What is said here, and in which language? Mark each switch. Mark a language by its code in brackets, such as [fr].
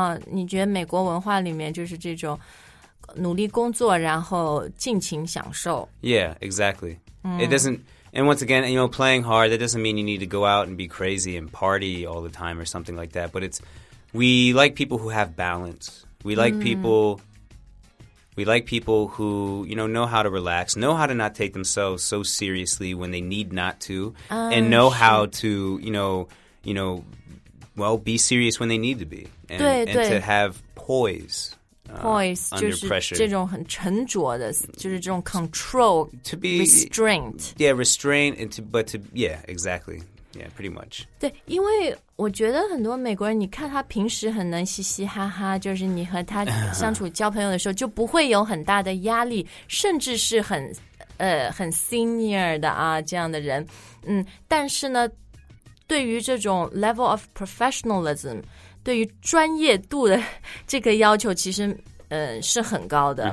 [zh] 你觉得美国文化里面就是这种努力工作然后尽情享受。 [en] Yeah, exactly.、It doesn't, and once again, you know, playing hard, that doesn't mean you need to go out and be crazy and party all the time or something like that. But it's, we like people who have balance. We like、people... We like people who, you know how to relax, know how to not take themselves so seriously when they need not to, and know how to, you know, well, be serious when they need to be. And, [zh] 对对 [en] and to have poise, poise under pressure. [zh] 就是这种很沉着的，就是这种 control, [en] to be, restraint. Yeah, restraint, and to, but to, yeah, exactly. Yeah, pretty much. [zh] 对，因为我觉得很多美国人，你看他平时很能嘻嘻哈哈，就是你和他相处交朋友的时候，就不会有很大的压力，甚至是很 senior 的啊这样的人。但是呢，对于这种 [en] level of professionalism, [zh] 对于专业度的这个要求其实是很高的、